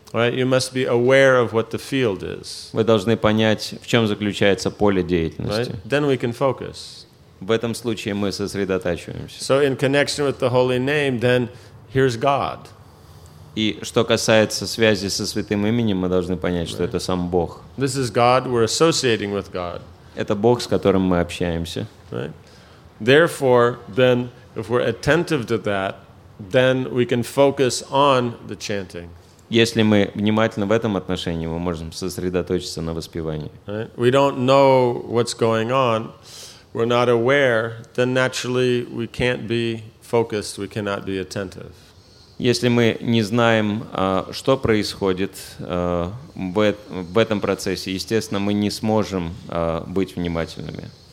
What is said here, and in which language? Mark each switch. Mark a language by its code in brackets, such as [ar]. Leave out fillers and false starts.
[en] Right, you must be aware of what the field is. [ru] Вы должны понять, в чем заключается поле деятельности. [en] Right? Then we can focus. [ru] В этом случае мы сосредотачиваемся. [en] So in connection with the holy name, then here's God. [ru] И что касается связи со святым именем, мы должны понять, right, что это сам Бог. [en] This is God, we're associating with God. [ru] Это Бог, с которым мы общаемся. [en] Right? Therefore, then, if we're attentive to that, then we can focus on the chanting. [ru] Если мы внимательны в этом отношении, мы можем сосредоточиться на воспевании. [en] Right? We don't know what's going on. We're not aware. Then naturally we can't be focused. We cannot be attentive. [ru] Если мы не знаем, что происходит в этом процессе, естественно, мы не сможем быть внимательными.